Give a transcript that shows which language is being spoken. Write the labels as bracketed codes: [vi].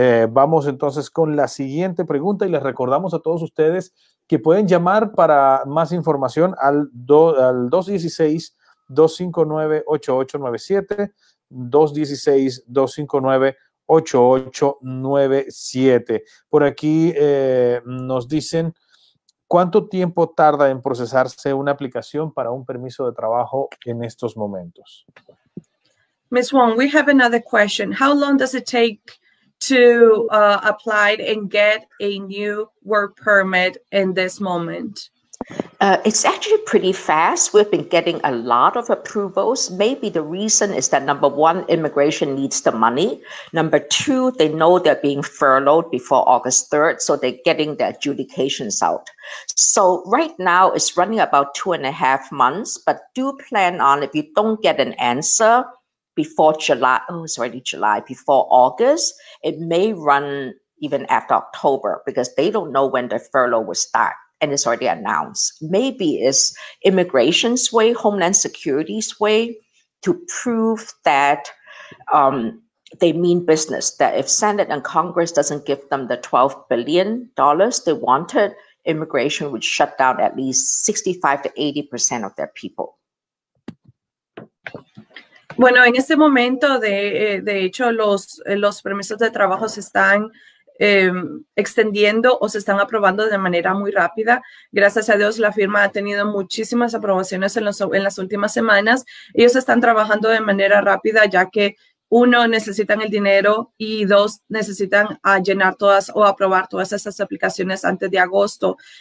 [es] Vamos entonces con la siguiente pregunta y les recordamos a todos ustedes que pueden llamar para más información al 216-259-8897, 216-259-8897. Por aquí nos dicen, ¿cuánto tiempo tarda en procesarse una aplicación para un permiso de trabajo en estos momentos? [en] Ms. Wong, we have another question. How long does it take to apply and get a new work permit in this moment? It's actually pretty fast. We've been getting a lot of approvals. Maybe the reason is that number one, immigration needs the money. Number two, they know they're being furloughed before August 3rd, so they're getting their adjudications out. So right now it's running about 2.5 months, but do plan on if you don't get an answer before July, oh, it's already July, before August, it may run even after October because they don't know when the furlough will start. And it's already announced. Maybe it's immigration's way, Homeland Security's way to prove that they mean business, that if Senate and Congress doesn't give them the $12 billion they wanted, immigration would shut down at least 65% to 80% of their people. [es] Bueno, en este momento, de hecho, los permisos de trabajo se están extendiendo o se están aprobando de manera muy rápida. Gracias a Dios, la firma ha tenido muchísimas aprobaciones en las últimas semanas. Ellos están trabajando de manera rápida, ya que uno, necesitan el dinero y dos, necesitan llenar todas o aprobar todas esas aplicaciones antes de agosto.